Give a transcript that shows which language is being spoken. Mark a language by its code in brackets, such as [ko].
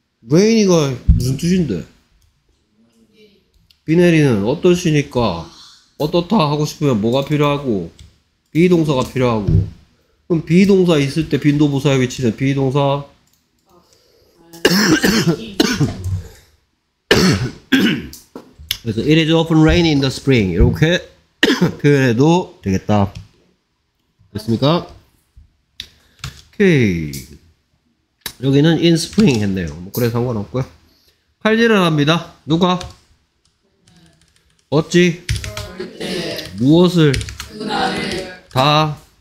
[ko] Rainy가 무슨 뜻인데? 비 내리는 어떠시니까? 어떻다 하고 싶으면 뭐가 필요하고? 비동사가 필요하고. 그럼 비동사 있을 때 빈도 부사의 위치는 비동사? 그래서 [en] It is often rainy in the spring. [ko] 이렇게 표현해도 되겠다. 됐습니까? 오케이. 여기는 [en] in spring [ko] 했네요. 뭐 그래 상관없고요. 칼질을 합니다. 누가? 어찌? 무엇을? 다?